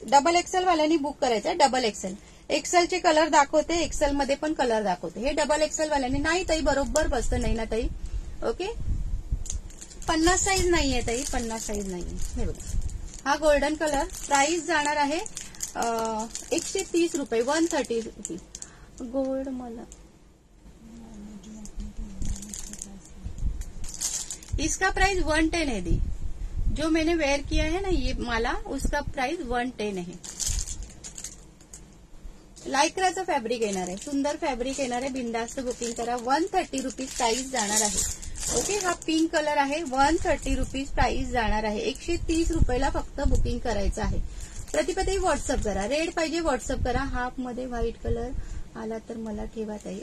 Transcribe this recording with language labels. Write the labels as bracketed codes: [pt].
[mr] Double XL वाल्यांनी book करायचं आहे. डबल एक्सएल एक्सएलचे कलर दाखवते, एक्सएल मध्ये पण कलर दाखवते. हे डबल एक्सएल वाल्यांनी नाही ताई बरोबर बसतं नाही ना ताई. ओके 50 साईज नाही आहे ताई, 50 साईज नाही आहे. हे बघा हा गोल्डन कलर, प्राइस जाणार आहे 130 रुपये, 130 रुपीज. [hi] गोल्ड माला इसका प्राइस 110 है दी, जो मैंने वेयर किया है ना ये माला उसका प्राइस 110 है. [mr] लायक्राचं फॅब्रिक येणार आहे, सुंदर फॅब्रिक येणार आहे, बिंदास्त बुकिंग करा. 130 रुपीज प्राइस जाणार आहे. ओके हा पिंक कलर आहे, 130 रुपीज प्राइस जाणार आहे, 130 रुपयाला फक्त बुकिंग करायचं आहे. प्रतिपदी व्हॉट्सअप करा, रेड पाहिजे व्हॉट्सअप करा. हाफ मध्ये व्हाईट कलर आला तर मला ठेवा ताई.